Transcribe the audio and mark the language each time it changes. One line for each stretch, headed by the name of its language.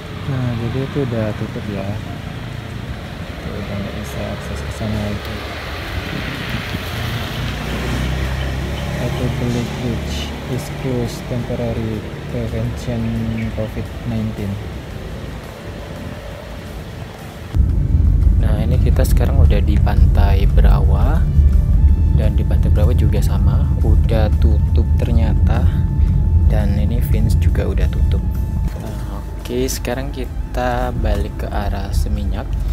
Indonesian: Nah, jadi itu udah tutup ya, itu udah nggak bisa akses ke sana lagi.
English: Batu Belik Beach is closed temporary prevention COVID-19.
Indonesian: Nah, ini kita sekarang udah di Pantai Berawa, dan di Pantai Berawa juga sama, udah tutup ternyata, dan ini Vince juga udah tutup. Nah, oke, sekarang kita balik ke arah Seminyak.